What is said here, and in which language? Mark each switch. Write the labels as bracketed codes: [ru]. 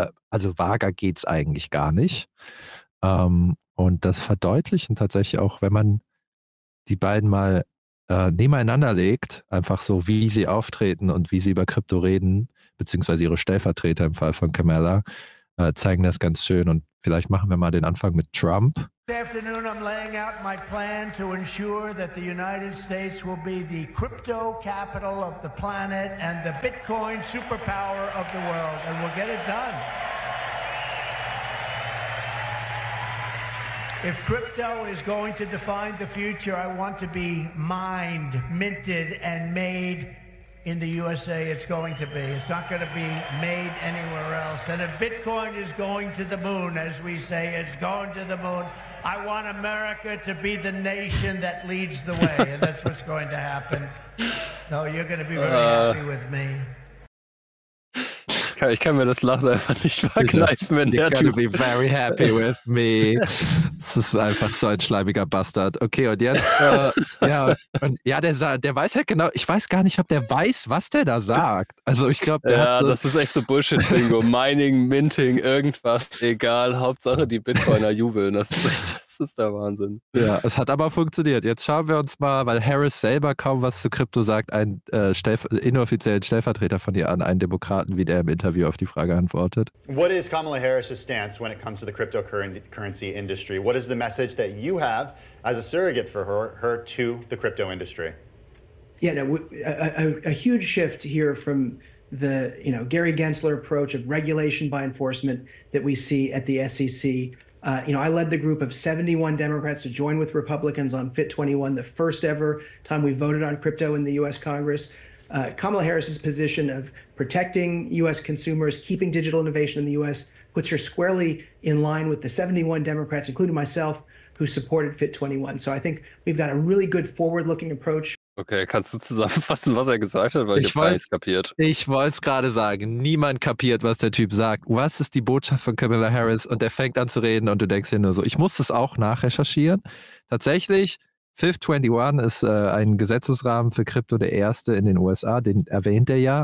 [de] Also vager geht es eigentlich gar nicht. Und das verdeutlichen tatsächlich auch, wenn man die beiden mal nebeneinander legt, einfach so, wie sie auftreten und wie sie über Krypto reden, beziehungsweise ihre Stellvertreter im Fall von Kamala, zeigen das ganz schön. Und vielleicht machen wir mal den Anfang mit Trump. [en] Good afternoon, I'm laying out my plan to ensure that the United States will be the crypto capital of the planet and the Bitcoin superpower of the world, and we'll get it done. If crypto is going to define the future, I want to be mined, minted, and made in the USA. It's going to be. It's not going to be made anywhere else. And if Bitcoin is going to the moon, as we say, it's going to the moon. I want America to be the nation that leads the way. And that's what's going to happen. No, you're going to be very happy with me. [de] Ich kann mir das Lachen einfach nicht verkneifen, wenn der [en] Typ... be very happy with me. [de] Das ist einfach so ein schleimiger Bastard. Okay, und jetzt... der weiß halt genau... Ich weiß gar nicht, ob der weiß, was der da sagt. Also ich glaube, der hat so... Ja, das ist echt so Bullshit-Bingo. Mining, Minting, irgendwas, egal. Hauptsache, die Bitcoiner jubeln. Das ist der Wahnsinn. Ja, es hat aber funktioniert. Jetzt schauen wir uns mal, weil Harris selber kaum was zu Krypto sagt, einen inoffiziellen Stellvertreter von ihr an, einen Demokraten, wie der im Interview auf die Frage antwortet. [en] What is Kamala Harris's stance when it comes to the cryptocurrency industry? What is the message that you have as a surrogate for her to the crypto industry? Yeah, no, a huge shift here from the, you know, Gary Gensler approach of regulation by enforcement that we see at the SEC. You know, I led the group of 71 Democrats to join with Republicans on FIT 21, the first ever time we voted on crypto in the U.S. Congress. Kamala Harris's position of protecting U.S. consumers, keeping digital innovation in the U.S., puts her squarely in line with the 71 Democrats, including myself, who supported FIT 21. So I think we've got a really good forward-looking approach. [de] Okay, kannst du zusammenfassen, was er gesagt hat? Weil ich habe nichts kapiert. Ich wollte es gerade sagen. Niemand kapiert, was der Typ sagt. Was ist die Botschaft von Kamala Harris? Und der fängt an zu reden und du denkst dir nur so, ich muss das auch nachrecherchieren. Tatsächlich, FIT 21 ist ein Gesetzesrahmen für Krypto, der erste in den USA, den erwähnt er ja.